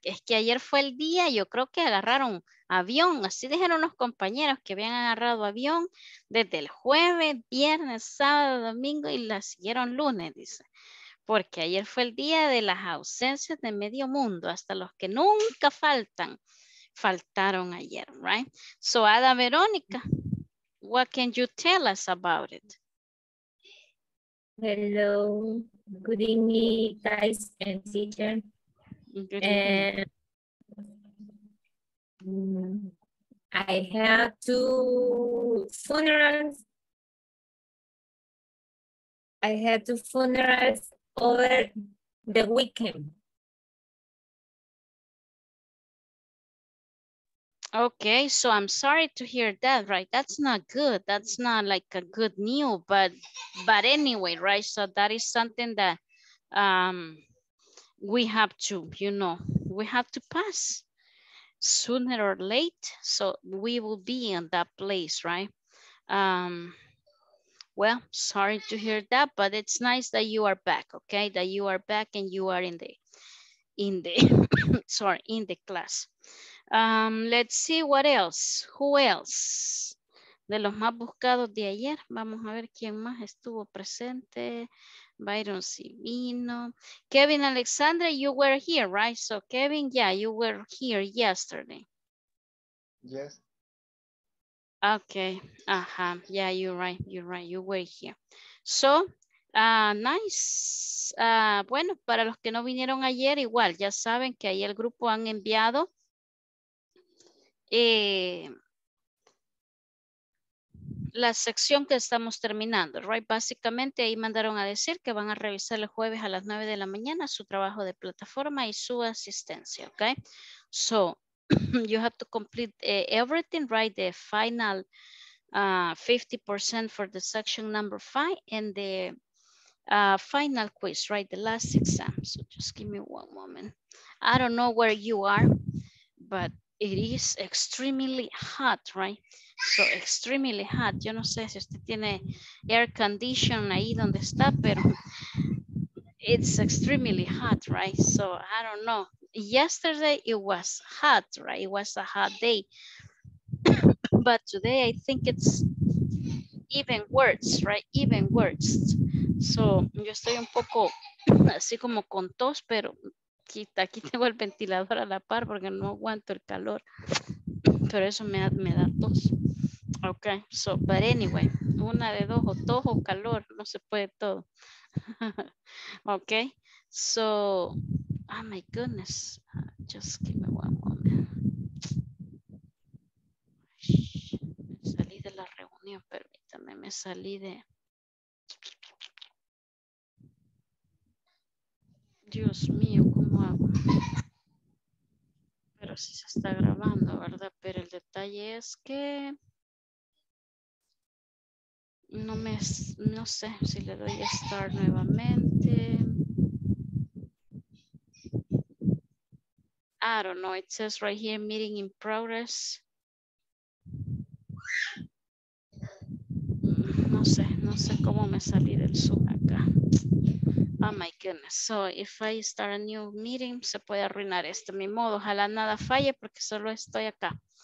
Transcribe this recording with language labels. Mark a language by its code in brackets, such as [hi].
[es] Es que ayer fue el día, yo creo que agarraron avión, así dijeron los compañeros que habían agarrado avión desde el jueves, viernes, sábado, domingo y la siguieron lunes, dice. Porque ayer fue el día de las ausencias de medio mundo, hasta los que nunca faltan, faltaron ayer, [en] right? So, Ada Verónica, what can you tell us about it? Hello, good evening, guys and teacher. Good evening. I have two funerals. I had two funerals over the weekend. Okay, so I'm sorry to hear that, right? That's not good. That's not like a good news, but anyway, right? So that is something that we have to, you know, we have to pass. Sooner or late, so we will be in that place, right? Well, sorry to hear that, but it's nice that you are back, okay? That you are back and you are in the class. Let's see what else. Who else? [es] De los más buscados de ayer, vamos a ver quién más estuvo presente. [en] Byron Civino. Kevin Alexandre, you were here, right? So Kevin, yeah, you were here yesterday. Yes. Okay. Uh-huh. Yeah, you're right. You're right. You were here. So, nice. [es] Bueno, para los que no vinieron ayer, igual, ya saben que ahí el grupo han enviado. La sección que estamos terminando, [en] right? [es] Básicamente ahí mandaron a decir que van a revisar el jueves a las 9 de la mañana su trabajo de plataforma y su asistencia, okay? [en] So, you have to complete everything, right? The final 50% for the section number 5 and the final quiz, right? The last exam. So just give me one moment. I don't know where you are, but it is extremely hot, right? So extremely hot. [es] Yo no sé si usted tiene air condition ahí donde está, pero [en] it's extremely hot, right? So I don't know. Yesterday it was hot, right? It was a hot day. But today I think it's even worse, right? Even worse. [es] So yo estoy un poco así como con tos, pero aquí tengo el ventilador a la par porque no aguanto el calor. Pero eso me da tos. Okay, [en] so, but anyway, [es] una de dos, o tos o calor, no se puede todo. [en] Okay, so, oh my goodness, just give me one moment. [es] Me salí de la reunión, permítame, me salí de... Dios mío, ¿cómo hago? Pero sí se está grabando, ¿verdad? Pero el detalle es que... No sé si le doy a start nuevamente. [en] I don't know, it says right here, meeting in progress. [es] No sé cómo me salí del Zoom acá. [en] Oh my goodness. So if I start a new meeting, [es] se puede arruinar esto. Mi modo, ojalá nada falle porque solo estoy acá.